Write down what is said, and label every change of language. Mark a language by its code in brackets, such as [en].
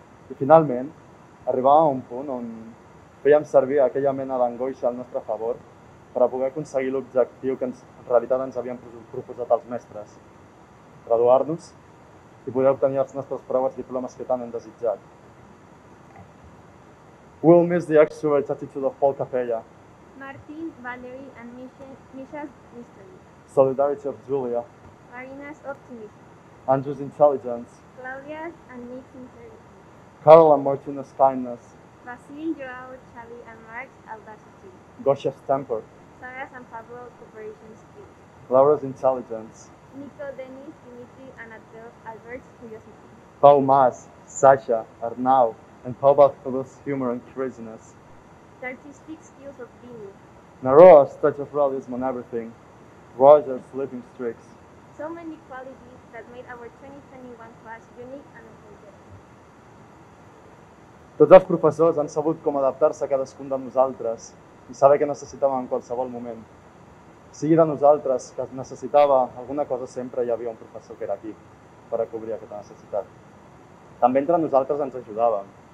[ca] I finalment arribàvem a un punt on fèiem servir aquella mena d'angoixa al nostre favor per a poder aconseguir l'objectiu que en realitat ens havien proposat els mestres, graduar-nos i poder obtenir els nostres proves i diplomes que tant hem desitjat. [en] We'll miss the extrovert attitude of Paul Capella. Martin, Valerie, and Misha's mystery. Solidarity of Julia. Marina's optimism. Andrew's intelligence. Claudia's and Nick's integrity. Carol and Martina's kindness. Vasil, Joao, Chavi, and Mark's audacity. Gosha's temper. Sarah's and Pablo's cooperation skills. Laura's intelligence. Nico, Dennis, Dimitri, and Albert's curiosity. Paul Mas, Sasha, Arnau, and Paul Bartholo's humor and craziness. The artistic skills of Vini. Naroa's touch of realism on everything. Roger's sleeping streaks. So many qualities that made our 2021 class unique and unforgettable. [ca] Tots els professors han sabut com adaptar-se a cadascun de nosaltres i saber què necessitava en qualsevol moment. Sigui de nosaltres que necessitava alguna cosa, sempre hi havia un professor que era aquí per a cobrir aquesta necessitat. També entre nosaltres ens ajudàvem.